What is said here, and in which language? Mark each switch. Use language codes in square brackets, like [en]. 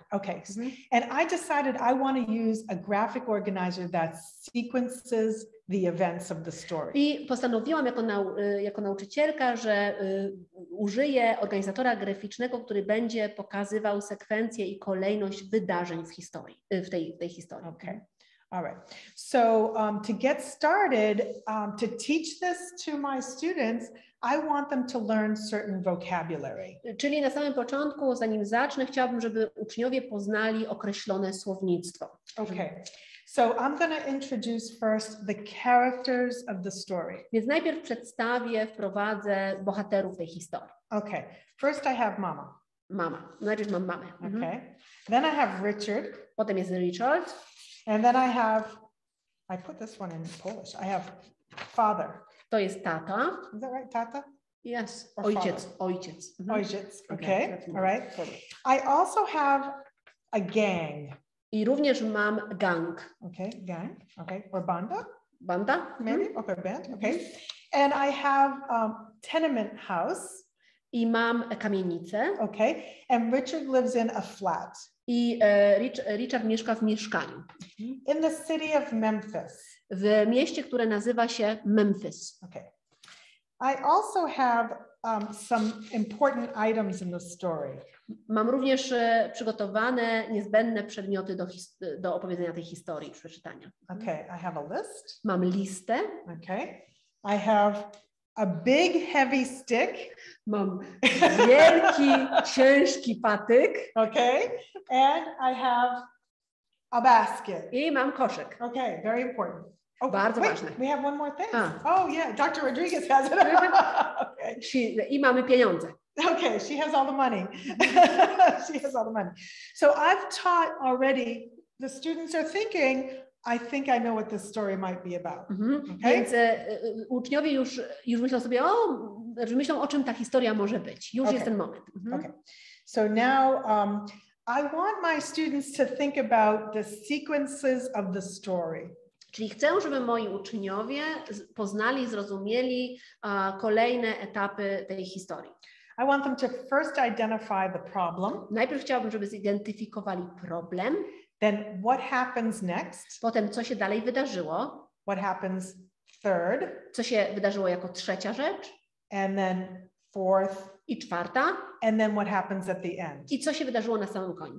[en] Okay. And I decided I want to use a graphic organizer that sequences the events of the story. [pl] I postanowiłam jako nauczycielka, że użyję organizatora graficznego, który będzie pokazywał sekwencję i kolejność wydarzeń w historii, w tej historii. [en] Okay. All right. So to get started, to teach this to my students, I want them to learn certain vocabulary. [pl] Czyli na samym początku, zanim zacznę, chciałabym, żeby uczniowie poznali określone słownictwo. [en] Okay. So I'm going to introduce first the characters of the story. [pl] Więc najpierw przedstawię, wprowadzę bohaterów tej historii. [en] Okay. First I have mama. [pl] Mama. Najpierw mam mamę. [en] Okay. Then I have Richard. [pl] Potem jest Richard. [en] And then I put this one in Polish. I have father. [pl] To jest tata. [en] Is that right, tata? Yes. Or ojciec. Father? Ojciec. Mm-hmm. Ojciec. Okay. All right. I also have a gang. [pl] I również mam gang. [en] Okay, gang. Okay. Or banda? [pl] Banda? [en] Maybe. Mm. Okay, band. Okay. And I have tenement house. [pl] I mam kamienicę. [en] Okay. And Richard lives in a flat. [pl] I Richard mieszka w mieszkaniu. [en] In the city of Memphis. [pl] W mieście, które nazywa się Memphis. [en] Okay. I also have some important items in the story. [pl] Mam również przygotowane niezbędne przedmioty do opowiedzenia tej historii, przeczytania. [en] Okay, I have a list. [pl] Mam listę. [en] Okay. I have a big heavy stick. [pl] Mam wielki, ciężki patyk. [en] Okay. And I have a basket. [pl] I mam koszyk. [en] Okay, very important. [pl] Oh, bardzo [en] wait, [pl] ważne. [en] We have one more thing. Oh yeah, Dr. Rodriguez has it. [pl] I mamy pieniądze. [en] Okay, she has all the money. She has all the money. So I've taught already, the students are thinking, I think I know what this story might be about. Okay? [pl] Więc uczniowie już myślą sobie, myślą o czym ta historia może być. Już okay. Jest ten moment. [en] Mm-hmm. Okay. So now I want my students to think about the sequences of the story. [pl] Czyli chcę, żeby moi uczniowie poznali, zrozumieli kolejne etapy tej historii. [en] I want them to first identify the problem. [pl] Najpierw chciałbym, żeby zidentyfikowali problem. [en] Then what happens next? [pl] Potem co się dalej wydarzyło? [en] What happens third? [pl] Co się wydarzyło jako trzecia rzecz? [en] And then fourth? [pl] I czwarta? [en] And then what happens at the end? [pl] I co się wydarzyło na samym końcu?